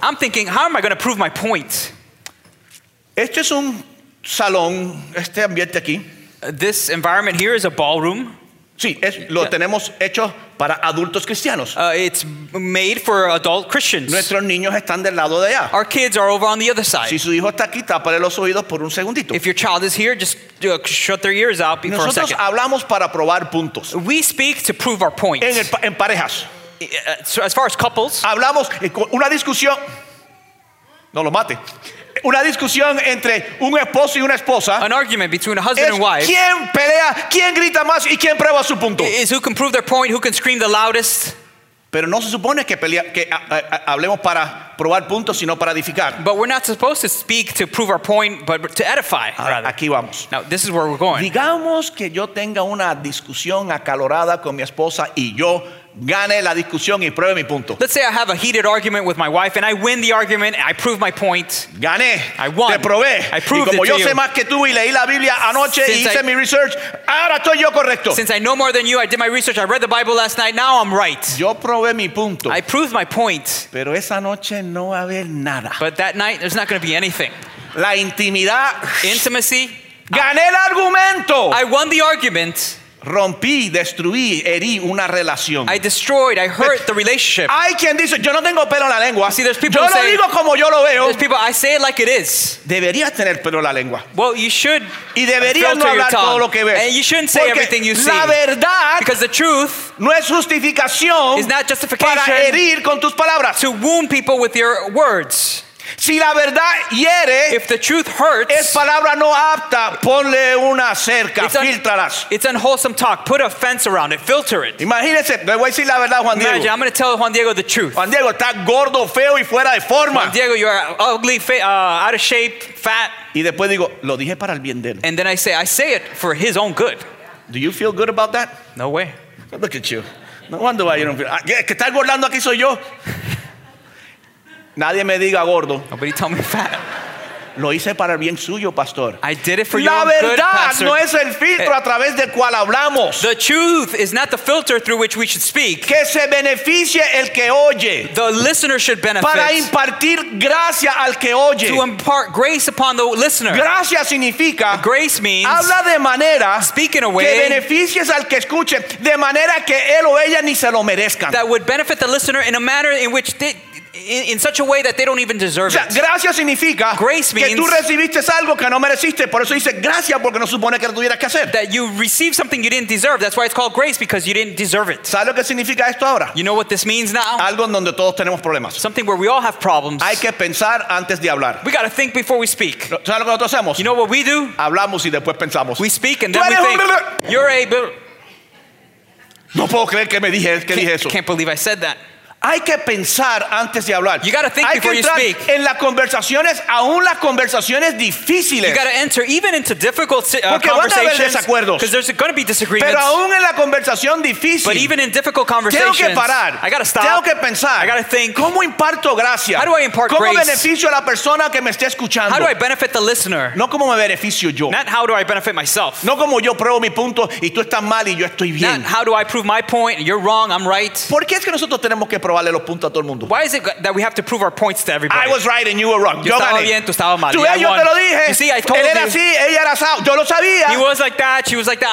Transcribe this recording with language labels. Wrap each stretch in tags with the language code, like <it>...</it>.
<en>I'm thinking how am I going to prove my point.</en> <es>Este es un salón, este ambiente aquí.</es> <en>This environment here is a ballroom.</en> <es>Sí, es, lo yeah. Tenemos hecho para adultos cristianos.</es> <en>It's made for adult Christians.</en> <es>Nuestros niños están del lado de allá.</es> <en>Our kids are over on the other side.</en> <es>Si su hijo está aquí, tápale los oídos por un segundito.</es> <en>If your child is here, just shut their ears out for</en> <es>nosotros</es> <en>a second.</en> <es>Nosotros hablamos para probar puntos.</es> <en>We speak to prove our points.</en> <es>En parejas.</es> <en>As far as couples.</en> <es>Hablamos una discusión. No lo mate. Una discusión entre un esposo y una esposa.</es> <en>An argument between a husband</en> <es>es</es> <en>and wife.</en> <es>¿Quién pelea? ¿Quién grita más? ¿Y quién prueba su punto?</es> <en>Is who can prove their point? Who can scream the loudest?</en> <es>Pero no se supone que pelea, que hablemos para probar puntos, sino para edificar.</es> <en>But we're not supposed to speak to prove our point, but to edify. Rather.</en> <es>Aquí vamos.</es> <en>Now this is where we're going.</en> <es>Digamos que yo tenga una discusión acalorada con mi esposa y yo gane la discusión y pruebe mi punto.</es> <en>Let's say I have a heated argument with my wife and I win the argument and I prove my point.</en> <es>Gané.</es> <en>I won.</en> <es>Te probé.</es> <en>I proved it to you.</en> <es>Y como yo sé más que tú y leí la Biblia anoche y hice mi research, ahora estoy yo correcto.</es> <en>Since I know more than you, I did my research, I read the Bible last night, now I'm right.</en> <es>Yo probé mi punto.</es> <en>I proved my point.</en> <es>Pero esa noche no va a haber nada.</es> <en>But that night, there's not going to be anything.</en> <es>La intimidad.</es> <en>Intimacy.</en> <es>Gané el argumento.</es> <en>I won the argument.</en> <es>Rompí, destruí, herí una relación.</es> <en>I destroyed, I hurt the relationship.</en> <es>Hay quien dice, yo no tengo pelo en la lengua.</es> <en>See, there's people</en> <es>yo</es> <en>who</en> <es>lo digo como yo lo veo.</es> <en>There's people, I say it like it is.</en> <es>Deberías tener pelo en la lengua.</es> <en>Well, you should.</en> <es>Y deberías no hablar todo lo que ves.</es> <en>And you shouldn't say</en> <es>Porque</es> <en>everything you</en> <es>la</es> <en>see.</en> <es>Verdad</es> <en>because the truth</en> <es>no es justificación</es> <en>is not justification</en> <es>para herir con tus palabras.</es> <en>To wound people with your words.</en> <es>Si la verdad hiere,</es> <en>if the truth hurts,</en> <es>es palabra no apta, ponle una cerca, filtralas.</es> <en>It's unwholesome talk. Put a fence around it. Filter it.</en> <es>Imagínese, le voy a decir la verdad, Juan Diego.</es> <en>Imagine, I'm going to tell Juan Diego the truth.</en> <es>Juan Diego, está gordo, feo y fuera de forma.</es> <en>Juan Diego, you are ugly, out of shape, fat.</en> <es>Y después digo, lo dije para el bien de él.</es> <en>And then I say it for his own good. Do you feel good about that? No way. Look at you. No wonder why you don't feel.</en> <es>Que está gordando aquí soy yo. Nadie me diga gordo.</es> <en>Nobody tell me fat.</en> <es>Lo hice para el bien suyo, pastor.</es> <en>I did it for</en> <es>la</es> <en>your</en> <es>verdad</es> <en>good, pastor.</en> <es>No es el filtro a través del cual hablamos.</es> <en>The truth is not the filter through which we should speak.</en> <es>Que se beneficie el que oye.</es> <en>The listener should benefit.</en> <es>Para impartir gracia al que oye.</es> <en>To impart grace upon the listener.</en> <es>Gracia significa.</es> <en>Grace means.</en> <es>Habla de manera.</es> <en>Speak in a way.</en> <es>Que beneficies al que escuche de manera que él o ella ni se lo merezcan.</es> <en>That would benefit the listener in a manner in which they. In such a way that they don't even deserve</en> <es>it. O sea, gracia significa</es> <en>grace means</en> <es>que tú recibiste algo que no mereciste, por eso dice gracia porque no supone que lo tuvieras que hacer.</es> <en>That you received something you didn't deserve. That's why it's called grace because you didn't deserve it.</en> <es>¿Sabes lo que significa esto ahora?</es> <en>You know what this means now?</en> <es>Algo en donde todos tenemos problemas.</es> <en>Something where we all have problems.</en> <es>Hay que pensar antes de hablar.</es> <en>We gotta think before we speak.</en> <es>¿Sabes lo que nosotros hacemos?</es> <en>You know what we do?</en> <es>Hablamos y después pensamos.</es> <en>We speak and then we think. You're able.</en> <es>No puedo creer que me dije que dije eso.</es> <en>Can't believe I said that.</en> <es>Hay que pensar antes de hablar.</es> <en>You gotta think</en> <es>Hay</es> <en>before</en> <es>que entrar</es> <en>you speak.</en> <es>En las conversaciones, aún las conversaciones difíciles.</es> <en>You gotta enter even into difficult</en> <es>Porque</es> <en>conversations.</en> <es>Porque van a haber desacuerdos.</es> <en>Because there's gonna be disagreements.</en> <es>Pero aún en la conversación difícil.</es> <en>But even in difficult conversations.</en> <es>Tengo que parar.</es> <en>I gotta stop.</en> <es>Tengo que pensar.</es> <en>I gotta think.</en> <es>¿Cómo imparto gracia?</es> <en>How do I impart</en> <es>¿Cómo</es> <en>grace?</en> <es>¿Cómo beneficio a la persona que me esté escuchando?</es> <en>How do I benefit the listener?</en> <es>No cómo me beneficio yo.</es> <en>Not how do I benefit myself.</en> <es>No cómo yo pruebo mi punto y tú estás mal y yo estoy bien.</es> <en>Not how do I prove my point and you're wrong, I'm right.</en> <es>¿Por qué es que nosotros tenemos que probarle los puntos a todo el mundo?</es> <en>Why is it that we have to prove our points to everybody? I was right and you were wrong.</en> <es>Yo estaba bien, tú estabas mal. Tú y yo te lo dije.</es> <en>You see, I told</en> <es>él era así, ella era así. Yo lo sabía.</es> <en>He was like that, she was like that.</en>